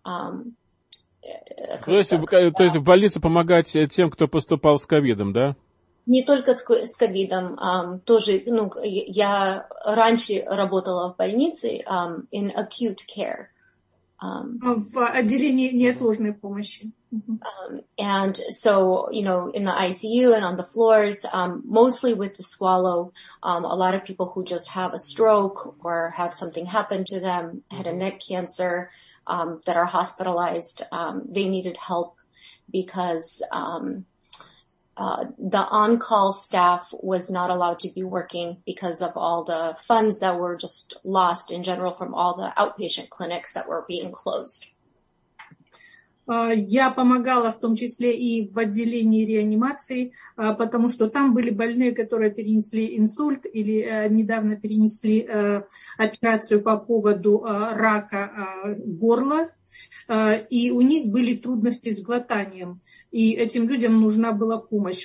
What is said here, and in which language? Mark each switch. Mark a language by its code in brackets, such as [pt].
[ru] То есть в больнице помогать тем, кто поступал с ковидом, да? Не только с ковидом. Тоже, ну, я раньше работала в больнице [en] in acute care. [ru] В отделении неотложной помощи. [en] And so, you know, in the ICU and on the floors, mostly with the swallow, a lot of people who just have a stroke or have something happen to them, had a neck cancer, that are hospitalized, they needed help because the on-call staff was not allowed to be working because of all the funds that were just lost in general from all the outpatient clinics that were being closed. [ru] Я помогала в том числе и в отделении реанимации, потому что там были больные, которые перенесли инсульт или недавно перенесли операцию по поводу рака горла, и у них были трудности с глотанием, и этим людям нужна была помощь.